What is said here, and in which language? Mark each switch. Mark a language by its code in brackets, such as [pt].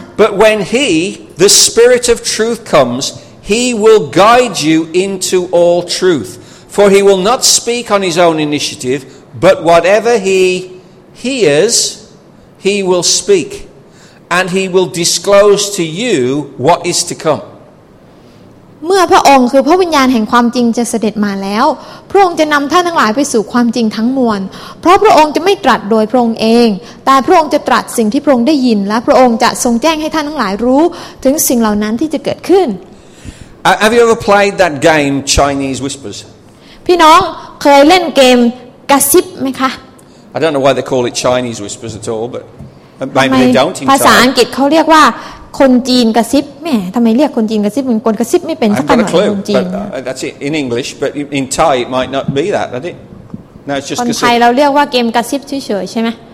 [en] But when he the spirit of truth comes he will guide you into all truth for he will not speak on his own initiative but whatever he hearsHe will speak, and he will disclose to you what is to come. [th] เมื่อพระองค์คือพระวิญญาณแห่งความจริงจะเสด็จมาแล้วพระองค์จะนำท่านทั้งหลายไปสู่ความจริงทั้งมวลเพราะพระองค์จะไม่ตรัสโดยพระองค์เองแต่พระองค์จะตรัสสิ่งที่พระองค์ได้ยินและพระองค์จะทรงแจ้งให้ท่านทั้งหลายรู้ถึงสิ่งเหล่านั้นที่จะเกิดขึ้น [en] Have you ever played that game Chinese whispers? [th] พี่น้องเคยเล่นเกมกระซิบไหมคะ [en] I don't know why they call it Chinese whispers at all, but maybe they don't. [th] ภาษาอังกฤษเขาเรียกว่าคนจีนกระซิบแหมทำไมเรียกคนจีนกระซิบเหมือนคนกระซิบไม่เป็นสักหน่อยคนจีน [en] That's it in English, but in Thai it might not be that, does it? No, it's just [th] คนไทยเราเรียกว่าเกมกระซิบเฉยๆใช่ไหม